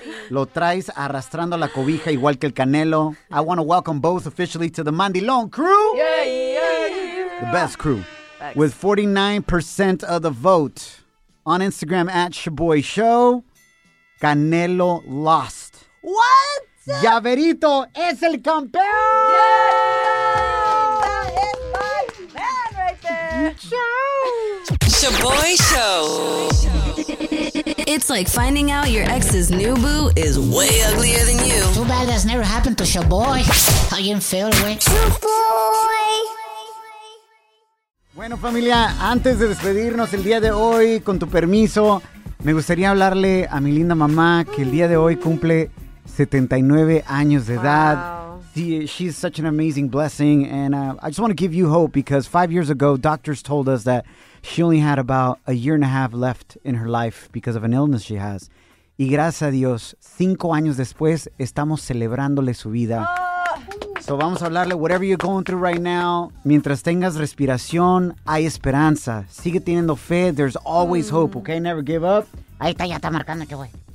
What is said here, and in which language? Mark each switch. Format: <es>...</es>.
<es>Lo traes arrastrando la cobija igual que el Canelo.</es> <en>I want to welcome both officially to the Mandilón crew. Yeah. The best crew. Thanks. With 49% of the vote on Instagram at Shaboy Show, Canelo lost. What?</en> <es>Yaverito es el campeón.</es> <en>Yeah, that is my man right there.</en> <it>Ciao.</it> <en>Shaboy Show. It's like finding out your ex's new boo is way uglier than you. Too bad that's never happened to Shaboy. How you feel, boy? Shaboy.</en> <es>Bueno, familia, antes de despedirnos el día de hoy, con tu permiso, me gustaría hablarle a mi linda mamá que el día de hoy cumple 79 años de edad.</es> <en>Wow. She's such an amazing blessing. And I just want to give you hope because 5 years ago, doctors told us that she only had about a year and a half left in her life because of an illness she has.</en> <es>Y gracias a Dios, 5 años después, estamos celebrándole su vida. So vamos a hablarle</es> <en>whatever you're going through right now.</en> <es>Mientras tengas respiración, hay esperanza. Sigue teniendo fe.</es> <en>There's always hope, okay? Never give up.</en> <es>Ahí está, ya está marcando, que voy.</es>